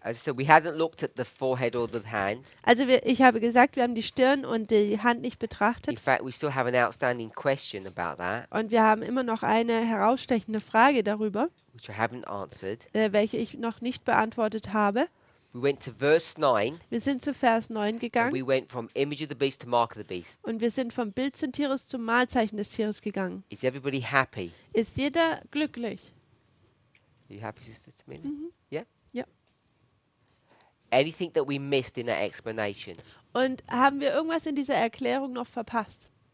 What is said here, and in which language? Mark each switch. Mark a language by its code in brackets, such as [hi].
[en] As I said, we hadn't looked at the forehead or the hand. [de] Also ich habe gesagt, wir haben die Stirn und die Hand nicht betrachtet. [en] In fact, we still have an outstanding question about that. [de] Und wir haben immer noch eine herausstechende Frage darüber, [en] which I haven't answered. [de] Welche ich noch nicht beantwortet habe. [en] We went to verse 9. [de] Wir sind zu Vers 9 gegangen. [en] And we went from image of the beast to mark of the beast. [de] Und wir sind vom Bild des Tieres zum Malzeichen des Tieres gegangen. [en] Is everybody happy? [de] Ist jeder glücklich? [en] Are you happy, Sister Tamina? Yeah. Yep. Anything that we missed in that explanation? [de] Und haben wir irgendwas in dieser Erklärung noch verpasst?